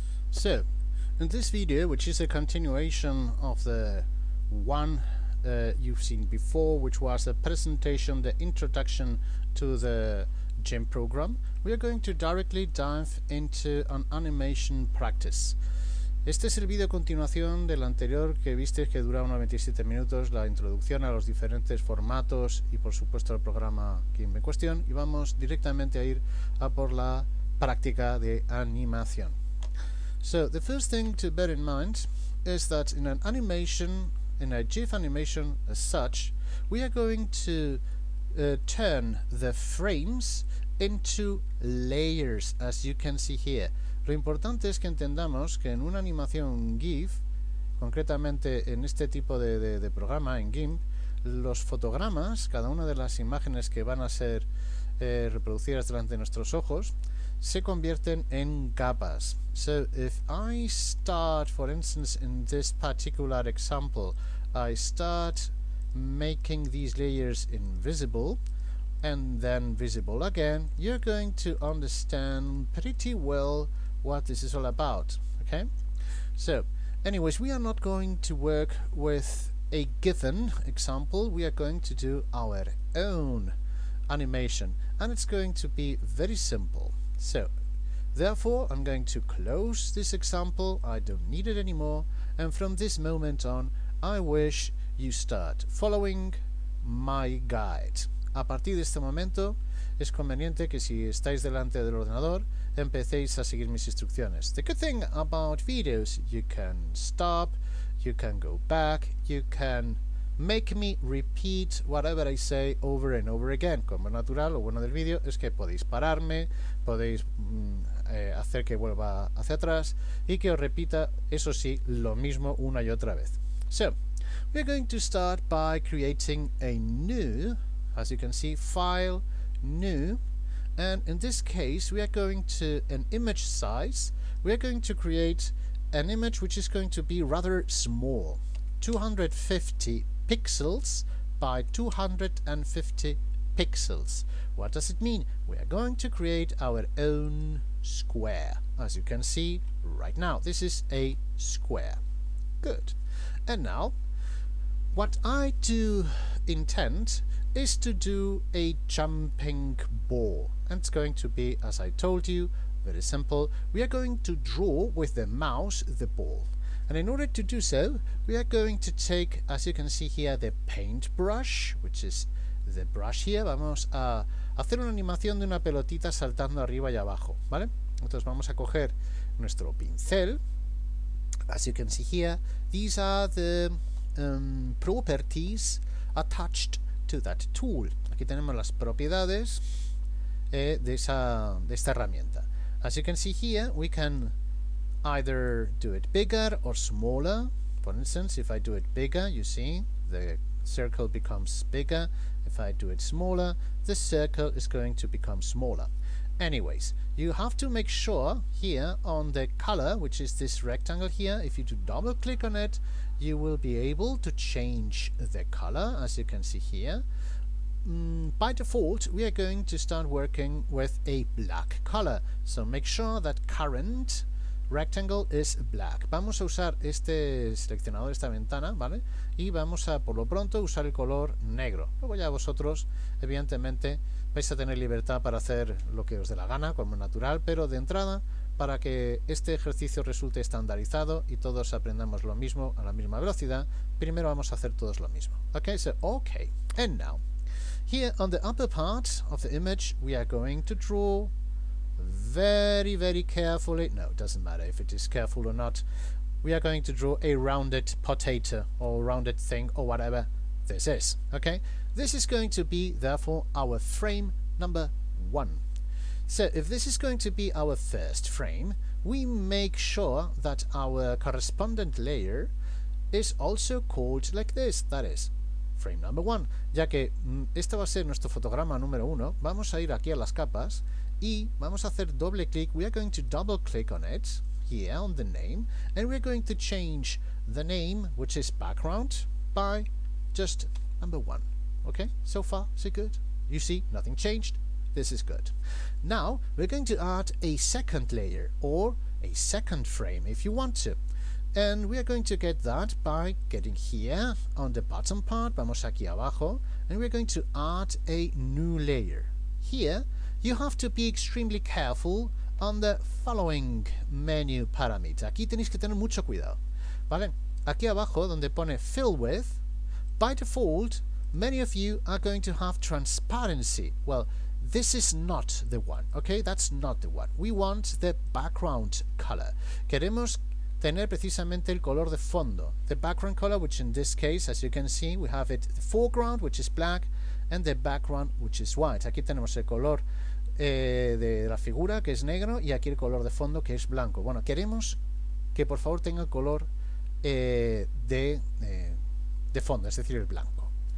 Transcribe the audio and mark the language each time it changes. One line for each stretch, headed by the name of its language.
English: So, in this video, which is a continuation of the one you've seen before, which was a presentation, the introduction to the Gimp program, we are going to directly dive into an animation practice.
Spanish: Este es el video a continuación del anterior que visteis, que dura unos 27 minutos, la introducción a los diferentes formatos y, por supuesto, el programa Gimp en cuestión, y vamos directamente a ir a por la práctica de animación.
English: So, the first thing to bear in mind is that in an animation, in a GIF animation as such, we are going to turn the frames into layers, as you can see here.
Spanish: Lo importante es que entendamos que en una animación GIF, concretamente en este tipo de programa, en GIMP, los fotogramas, cada una de las imágenes que van a ser reproducidas delante de nuestros ojos, se convierten en capas.
English: So if I start, for instance, in this particular example, I start making these layers invisible and then visible again, you're going to understand pretty well what this is all about, okay? So, anyways, we are not going to work with a given example, we are going to do our own animation, and it's going to be very simple. So, therefore, I'm going to close this example, I don't need it anymore, and from this moment on, I wish you start following my guide.
Spanish: A partir de este momento, es conveniente que si estáis delante del ordenador, empecéis a seguir mis instrucciones.
English: The good thing about videos, you can stop, you can go back, you can make me repeat whatever I say over and over again.
Spanish: Como natural, lo bueno del vídeo es que podéis pararme, podéis hacer que vuelva hacia atrás y que os repita, eso sí, lo mismo una y otra vez.
English: So, we're going to start by creating a new, as you can see, file, new, and in this case we are going to an image size, we are going to create an image which is going to be rather small, 250 pixels by 250 pixels. What does it mean? We are going to create our own square, as you can see right now. This is a square. Good. And now, what I do intend is to do a jumping ball. And it's going to be, as I told you, very simple. We are going to draw with the mouse the ball. And in order to do so, we are going to take, as you can see here, the paint brush, which is the brush here.
Spanish: Vamos a hacer una animación de una pelotita saltando arriba y abajo, ¿vale? Entonces vamos a coger nuestro pincel.
English: As you can see here, these are the properties attached to that tool.
Spanish: Aquí tenemos las propiedades de esta herramienta.
English: As you can see here, we can either do it bigger or smaller. For instance, if I do it bigger, you see, the circle becomes bigger. If I do it smaller, the circle is going to become smaller. Anyways, you have to make sure here on the color, which is this rectangle here, if you do double click on it, you will be able to change the color, as you can see here. By default, we are going to start working with a black color, so make sure that current rectangle is black.
Spanish: Vamos a usar este seleccionador, esta ventana, ¿vale? Y vamos a, por lo pronto, usar el color negro. Luego ya vosotros, evidentemente, vais a tener libertad para hacer lo que os dé la gana, como natural, pero de entrada, para que este ejercicio resulte estandarizado y todos aprendamos lo mismo a la misma velocidad, primero vamos a hacer todos lo mismo.
English: Okay, so, okay. And now, here on the upper part of the image, we are going to draw very, very carefully. No, it doesn't matter if it is careful or not. We are going to draw a rounded potato or rounded thing or whatever this is. Okay? This is going to be, therefore, our frame number one. So, if this is going to be our first frame, we make sure that our correspondent layer is also called like this. That is, frame number one.
Spanish: Ya que este va a ser nuestro fotograma número uno, vamos a ir aquí a las capas y vamos a hacer doble clic.
English: We are going to double click on it, here, on the name, and we're going to change the name, which is background, by just number one. Okay, so far, so good. You see, nothing changed. This is good. Now, we're going to add a second layer, or a second frame if you want to. And we are going to get that by getting here on the bottom part,
Spanish: vamos aquí abajo,
English: and we're going to add a new layer. Here, you have to be extremely careful on the following menu parameter.
Spanish: Aquí tenéis que tener mucho cuidado, ¿vale? Aquí abajo, donde pone Fill With,
English: by default, many of you are going to have transparency. Well, this is not the one, okay? That's not the one. We want the background color.
Spanish: Queremos tener precisamente el color de fondo.
English: The background color, which in this case, as you can see, we have it the foreground, which is black, and the background, which is white.
Spanish: Aquí tenemos el color de la figura, que es negro, y aquí el color de fondo, que es blanco. Bueno, queremos que por favor tenga el color de fondo, es decir, el blanco.